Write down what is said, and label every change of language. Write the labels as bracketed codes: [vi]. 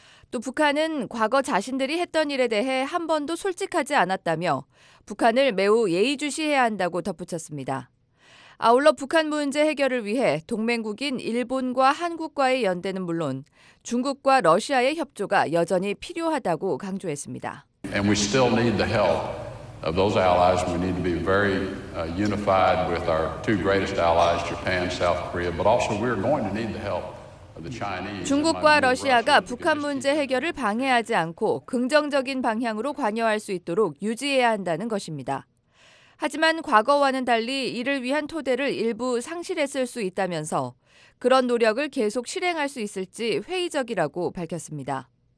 [ko] 또 북한은 과거 자신들이 했던 일에 대해 한 번도 솔직하지 않았다며 북한을 매우 예의주시해야 한다고 덧붙였습니다. 아울러 북한 문제 해결을 위해 동맹국인 일본과 한국과의 연대는 물론 중국과 러시아의 협조가 여전히 필요하다고 강조했습니다. [en] And we still need the help of those allies. We need to be very unified with our two greatest allies, Japan, South Korea, but also we're going to need the help. [ko] 중국과 러시아가 북한 문제 해결을 방해하지 않고 긍정적인 방향으로 관여할 수 있도록 유지해야 한다는 것입니다. 하지만 과거와는 달리 이를 위한 토대를 일부 상실했을 수 있다면서 그런 노력을 계속 실행할 수 있을지 회의적이라고 밝혔습니다.